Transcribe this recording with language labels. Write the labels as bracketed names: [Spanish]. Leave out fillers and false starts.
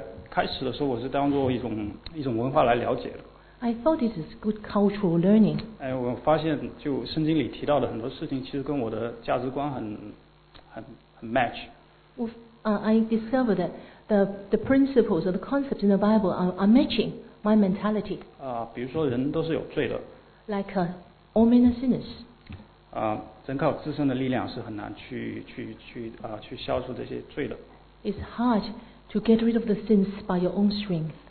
[Chinese] 开始的时候我是当作一种文化来了解的。 [English] I thought it is good cultural learning. [Chinese] 我发现就圣经里提到的很多事情，其实跟我的价值观很 match. [English] I discovered that the principles or the concepts in the Bible are matching my mentality. [Chinese] 比如说人都是有罪的。 [English] Like all men are sinners. [Chinese] 真靠自身的力量是很难去消除这些罪的。 [English] It's hard to get rid of the sins by your own strength.